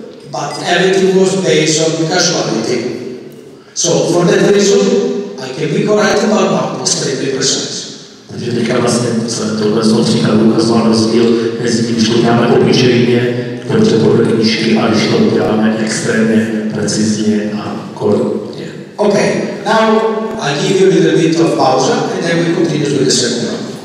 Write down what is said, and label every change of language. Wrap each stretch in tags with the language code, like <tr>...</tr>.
<en>But everything was based on the casualty. So for that reason, I can be correct about not extremely precise.</en> <cs>Takže teďka vlastně tohle z Otříka ukazoval rozdíl mezi tím, že to děláme obyčejně, dobře podle knížky, a když to děláme extrémně, precizně a korektně.</cs> <en>OK, now I give you a little bit of pause and then we continue with the second round.</en>